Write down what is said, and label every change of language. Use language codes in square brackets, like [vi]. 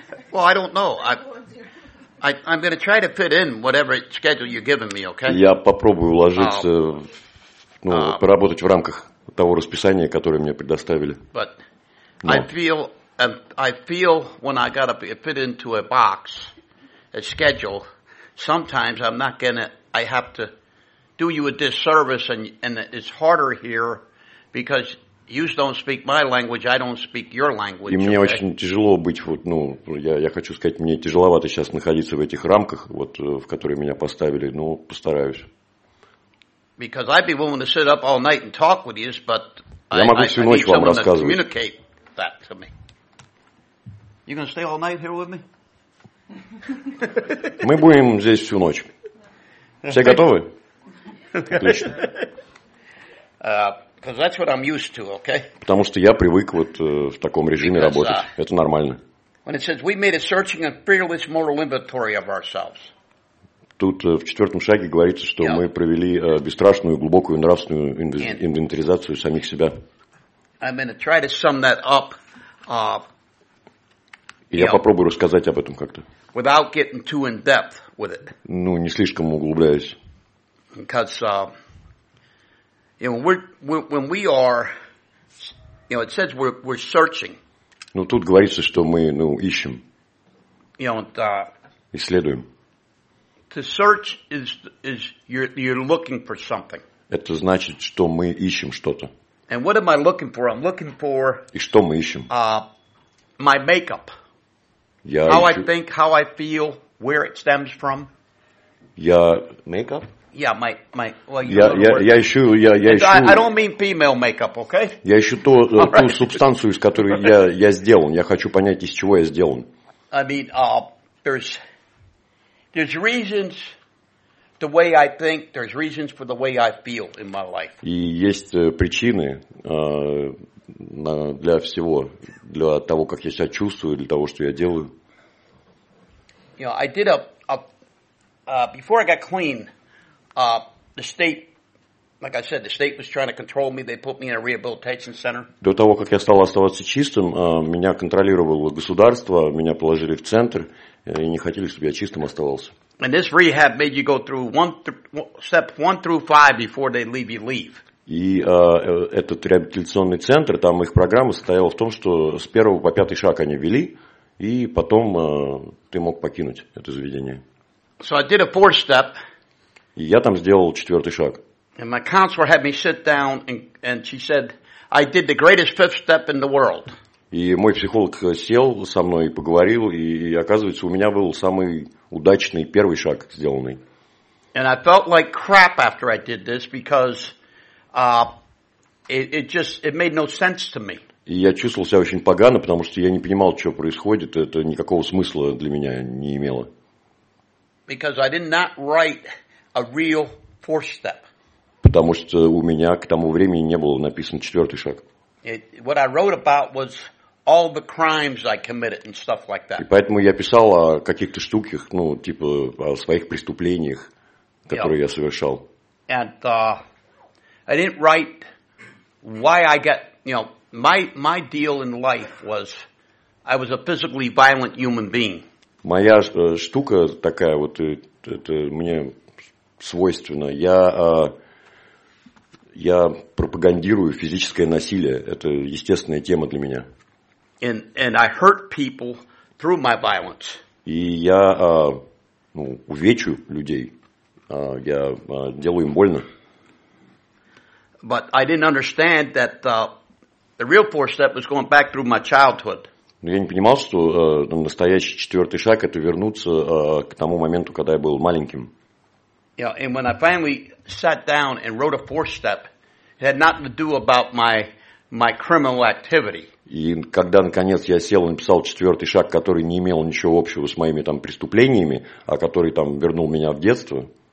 [en] Well, I don't know. I'm going to try to fit in whatever schedule you're giving me, okay? [ru] Я попробую уложиться, поработать в рамках того расписания, которое мне предоставили. [en] But no. I feel when I got to fit into a box, a schedule, sometimes I'm not going to, I have to do you a disservice, and it's harder here because you don't speak my language, I don't speak your language. [ru] И мне очень тяжело быть, я хочу сказать, мне тяжеловато сейчас находиться в этих рамках, в которые меня поставили, постараюсь. [en] Because I'd be willing to sit up all night and talk with you, but [ru] я могу всю ночь вам рассказывать. [en] I need someone to communicate that to me. You gonna stay all night here with me? [ru] Мы будем здесь всю ночь. Все готовы? Отлично. [en] Because that's what I'm used to, okay? [ru] Потому что я привык в таком режиме работать. Это нормально. [en] When it says we made a searching and fearless moral inventory of ourselves. [ru] Тут в четвертом шаге говорится, что мы провели бесстрашную, глубокую нравственную инвентаризацию самих себя. [en] I'm going to try to sum that up. [ru] Я попробую рассказать об этом как-то. [en] Without getting too in depth with it. [ru] Ну, не слишком углубляясь. [en] Because you know, when we are, you know, it says we're searching. [ru] Ну, тут говорится, что мы, ищем. [en] You know, [ru] исследуем. [en] To search is you're looking for something. [ru] Это значит, что мы ищем что-то. [en] And what am I looking for? I'm looking for. [ru] И что мы ищем? [en] My makeup. [ru] Я [en] how [ru] ищу... [en] I think, how I feel, where it stems from. [ru] Я [en] makeup. Yeah, my [ru] ищу, я ищу. [en] I don't mean female makeup, okay? [ru] Я ищу ту субстанцию, из которой я сделан. Я хочу понять, из чего я сделан. [en] I mean, there's reasons the way I think, there's reasons for the way I feel in my life. [ru] И есть причины для всего, для того, как я себя чувствую, для того, что я делаю. [en] You know, I did before I got clean. The state was trying to control me. They put me in a rehabilitation center. [ru] До того, как я стал оставаться чистым, меня контролировало государство, меня положили в центр, и не хотели, чтобы я чистым оставался. [en] And this rehab made you go through step 1-5 before they leave you leave. [ru] И этот реабилитационный центр, там их программа состояла в том, что с 1-5 шаг они вели, и потом ты мог покинуть это заведение. [en] So I did a 4 step. [ru] И я там сделал четвертый шаг. [en] And my counselor had me sit down and she said, I did the greatest 5th step in the world. [ru] И мой психолог сел со мной и поговорил, и оказывается, у меня был самый удачный первый шаг сделанный. [en] And I felt like crap after I did this because it made no sense to me. [ru] И я чувствовал себя очень погано, потому что я не понимал, что происходит, это никакого смысла для меня не имело. [en] Because I did not write a real 4th step. [ru] Потому что у меня к тому времени не было написан четвертый шаг. [en] What I wrote about was all the crimes I committed and stuff like that. [ru] И поэтому я писал о каких-то штуках, о своих преступлениях, которые я совершал. [en] And I didn't write why I got, my deal in life was I was a physically violent human being. [ru] Моя штука такая это мне свойственно. Я пропагандирую физическое насилие. Это естественная тема для меня. [en] And I hurt people through my violence. [ru] И я увечу людей. Я делаю им больно. [en] But I didn't understand that the real 4th step was going back through my childhood. [ru] Но я не понимал, что настоящий четвертый шаг – это вернуться к тому моменту, когда я был маленьким. [en] Yeah, and when I finally sat down and wrote a 4th step, it had nothing to do about my my criminal activity. [ru] И когда, наконец, я сел и написал четвертый шаг, который не имел ничего общего с моими там преступлениями, а который там вернул меня в детство.